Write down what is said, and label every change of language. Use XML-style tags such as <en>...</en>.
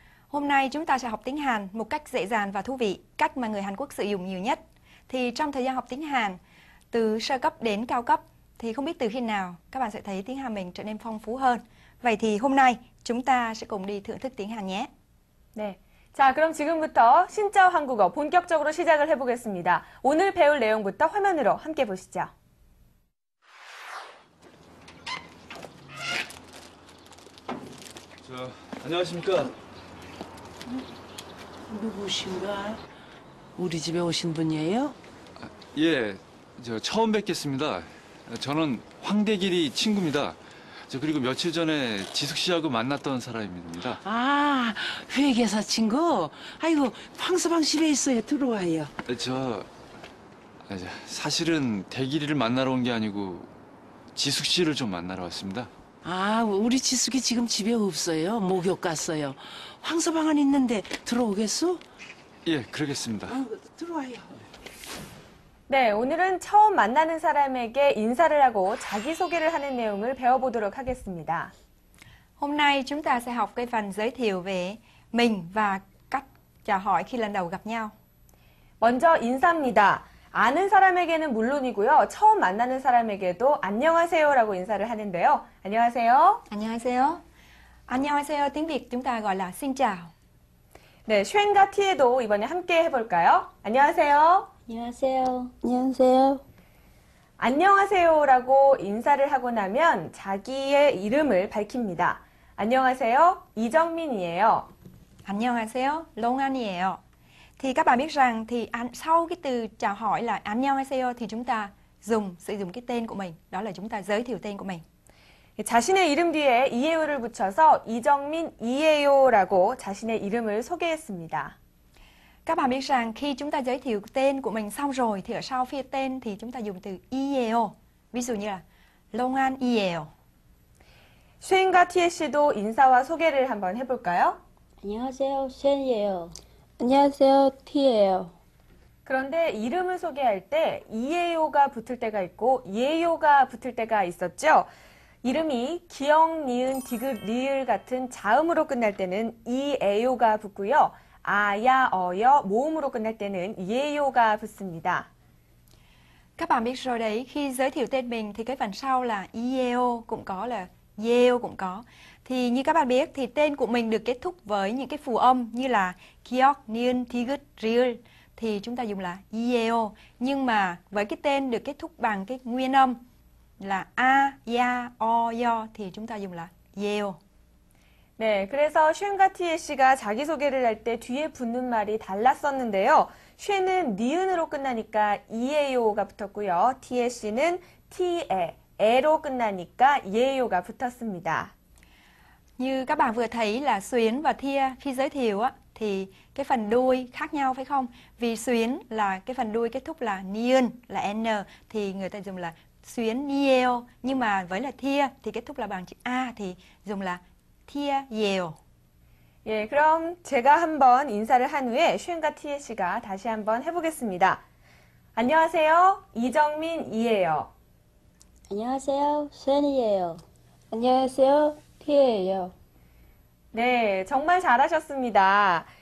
<vi>Hôm nay chúng ta sẽ học tiếng Hàn một cách dễ dàng và thú vị, cách mà người Hàn Quốc sử dụng nhiều nhất. Thì trong thời gian học tiếng Hàn, từ sơ cấp đến cao cấp, thì không biết từ khi nào các bạn sẽ thấy tiếng Hàn mình trở nên phong phú hơn. Vậy thì hôm nay chúng ta sẽ cùng đi thưởng thức tiếng Hàn nhé.</vi> <ko>네. 자, 그럼 지금부터 신짜오 한국어 본격적으로 시작을 해보겠습니다. 오늘 배울 내용부터 화면으로 함께 보시죠. 저, 안녕하십니까? 누구신가? 우리 집에 오신 분이에요? 아, 예, 저 처음 뵙겠습니다. 저는 황대길이 친구입니다. 저 그리고 며칠 전에 지숙 씨하고 만났던 사람입니다. 아, 회계사 친구? 아이고, 황서방 집에 있어요. 들어와요. 저 사실은 대길이를 만나러 온 게 아니고 지숙 씨를 좀 만나러 왔습니다. 아, 우리 지숙이 지금 집에 없어요. 목욕 갔어요. 황서방 안 있는데 들어오겠소? 예, 그러겠습니다. 아, 들어와요. 네, 오늘은 처음 만나는 사람에게 인사를 하고 자기소개를 하는 내용을 배워보도록 하겠습니다.</ko> <vi>Hôm nay chúng ta sẽ học cái phần giới thiệu về mình và cách chào hỏi khi lần đầu gặp nhau.</vi> <ko>먼저 인사입니다. 아는 사람에게는 물론이고요. 처음 만나는 사람에게도 안녕하세요라고 인사를 하는데요. 안녕하세요. 안녕하세요. 안녕하세요. 띵빅.</ko> <vi>chúng ta gọi là xin chào.</vi> <ko>네, 쉔과 티에도 이번에 함께 해볼까요? 안녕하세요. 안녕하세요. 안녕하세요. 안녕하세요라고 인사를 하고 나면 자기의 이름을 밝힙니다. 안녕하세요. 이정민이에요. 안녕하세요. 롱안이에요.</ko> <vi>Thì các bạn biết rằng thì sau cái từ chào hỏi là 안녕하세요 thì chúng ta dùng sử dụng cái tên của mình, đó là chúng ta giới thiệu tên của mình.</vi> <ko>자신의 이름 뒤에 이에요를 붙여서 이정민이에요라고 자신의 이름을 소개했습니다.</ko> <vi>Các bạn biết rằng khi chúng ta giới thiệu tên của mình xong rồi thì ở sau phía tên thì chúng ta dùng từ 이에요. Ví dụ như là 롱안이에요.</vi> <ko>쉔과 티에 씨도 인사와 소개를 한번 해볼까요? 안녕하세요. 쉔이에요. 안녕하세요. 티에요. 그런데 이름을 소개할 때 이에요가 붙을 때가 있고 예요가 붙을 때가 있었죠? 이름이 기역, 니은, 디귿, 리을 같은 자음으로 끝날 때는 이에요가 붙고요. 아야, 어여, 모음으로 끝날 때는 예요가 붙습니다.</ko> <vi>Các bạn biết rồi đấy, khi giới thiệu tên mình thì cái phần sau là 이에요 cũng có, là 예요 cũng có. Thì như các bạn biết thì tên của mình được kết thúc với những cái phụ âm như là 기역, 니은, 디귿, 리을 thì chúng ta dùng là 이에요. Nhưng mà với cái tên được kết thúc bằng cái nguyên âm là a, ya, o, yo thì chúng ta dùng là 예요.</vi> <ko>네, 그래서 쉔과 티에 씨가 자기소개를 할 때 뒤에 붙는 말이 달랐었는데요. 쉔은 니은으로 끝나니까 이에요가 붙었고요. 티에 씨는 티에, 에로 끝나니까 예요가 붙었습니다.</ko> <vi>Như các bạn vừa thấy là xuyến và thia khi giới thiệu á, thì cái phần đuôi khác nhau phải không? Vì xuyến là cái phần đuôi kết thúc là niên, là n, thì người ta dùng là xuyến niêu. Nhưng mà với là thia thì kết thúc là bằng chữ a thì dùng là 티에요.</vi> <ko>예, 그럼 제가 한번 인사를 한 후에 쉔과 티에 씨가 다시 한번 해보겠습니다. 안녕하세요. 이정민이에요. 안녕하세요. 쉔이에요. 안녕하세요. 티에요. 네, 정말 잘하셨습니다.</ko>